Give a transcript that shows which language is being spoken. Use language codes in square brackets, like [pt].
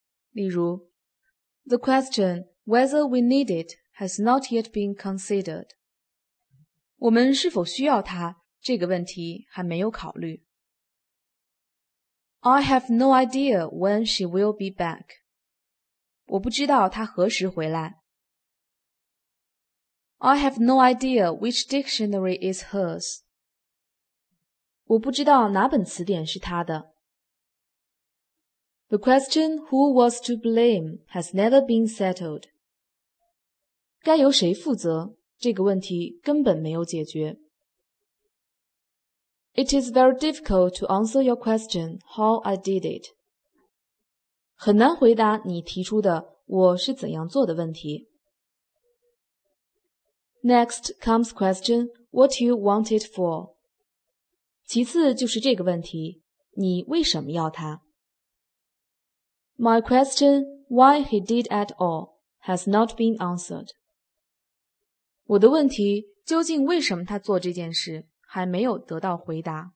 [en] 例如 The question whether we need it has not yet been considered。 [zh] 我们是否需要它，这个问题还没有考虑。 [en] I have no idea when she will be back. [zh] 我不知道她何时回来。 [en] I have no idea which dictionary is hers. [zh] 我不知道哪本词典是她的。 [en] The question who was to blame has never been settled. [zh] 该由谁负责？这个问题根本没有解决。 [en] It is very difficult to answer your question how I did it. [zh] 很难回答你提出的我是怎样做的问题。 [en] Next comes question what you want it for. [zh] 其次就是这个问题你为什么要它。 [en] My question why he did at all has not been answered. [zh] 我的问题究竟为什么他做这件事还没有得到回答。